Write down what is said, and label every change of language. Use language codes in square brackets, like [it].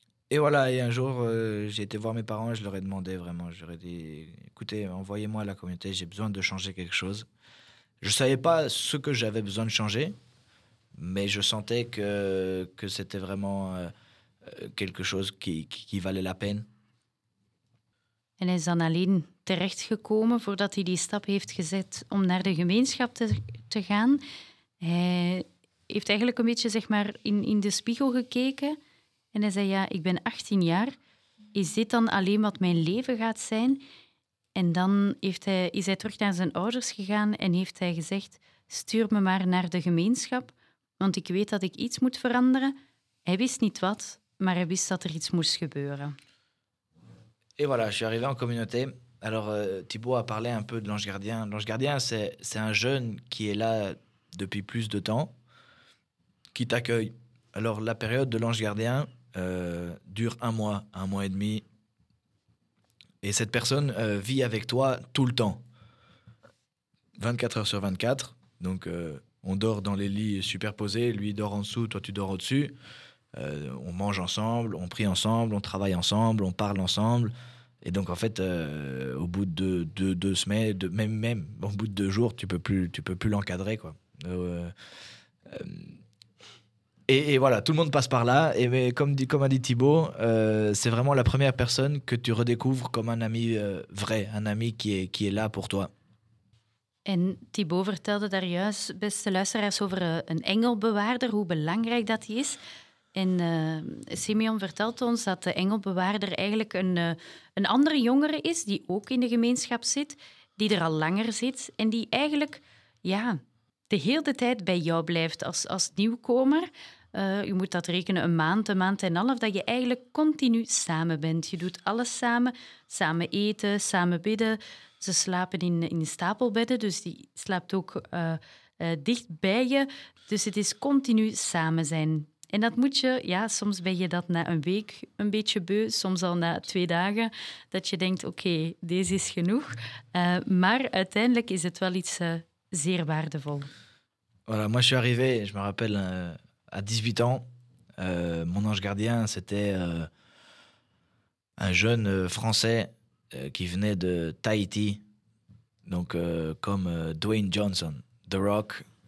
[fr] Et voilà. Et un jour, j'ai été voir mes parents. Je leur ai demandé vraiment. Je leur ai dit, écoutez, envoyez-moi à la communauté. J'ai besoin de changer quelque chose. Je savais pas ce que j'avais besoin de changer, mais je sentais que c'était vraiment quelque chose qui valait la peine. [nl] En is dan alleen terechtgekomen voordat hij die stap heeft gezet om naar de gemeenschap te gaan? Hij heeft eigenlijk een beetje zeg maar, in de spiegel gekeken en hij zei, ja, ik ben 18 jaar. Is dit dan alleen wat mijn leven gaat zijn? En dan is hij terug naar zijn ouders gegaan en heeft hij gezegd, stuur me maar naar de gemeenschap, want ik weet dat ik iets moet veranderen. Hij wist niet wat, maar hij wist dat er iets moest gebeuren. [fr] Et voilà, je suis arrivé en communauté. Alors, Thibaut a parlé un peu de l'ange gardien. L'ange gardien, c'est un jeune qui est là depuis plus de temps, qui t'accueille. Alors, la période de l'ange gardien dure un mois et demi. Et cette personne vit avec toi tout le temps, 24 heures sur 24. Donc, on dort dans les lits superposés. Lui dort en dessous, toi tu dors au-dessus. On mange ensemble, on prie ensemble, on travaille ensemble, on parle ensemble. Et donc, en fait, au bout de deux semaines, même au bout de deux jours, tu peux plus l'encadrer, quoi. Et voilà, tout le monde passe par là. Et mais comme a dit Thibaut, c'est vraiment la première personne que tu redécouvres comme un ami vrai, un ami qui est là pour toi. [nl] En Thibaut vertelde daar juist, beste luisteraars, over een engelbewaarder, hoe belangrijk dat is. En Sibéon vertelt ons dat de engelbewaarder eigenlijk een andere jongere is die ook in de gemeenschap zit, die er al langer zit en die eigenlijk ja, de hele tijd bij jou blijft als nieuwkomer. Je moet dat rekenen, een maand en een half, dat je eigenlijk continu samen bent. Je doet alles samen, samen eten, samen bidden. Ze slapen in stapelbedden, dus die slaapt ook dicht bij je. Dus het is continu samen zijn. En dat moet je, ja, soms ben je dat na een week een beetje beu, soms al na 2 dagen, dat je denkt, oké, deze is genoeg. Maar uiteindelijk is het wel iets zeer waardevol. [fr] Voilà, moi je suis arrivé, je me rappelle, à 18 ans, mon ange gardien, c'était un jeune français qui venait de Tahiti, donc comme Dwayne Johnson, The Rock.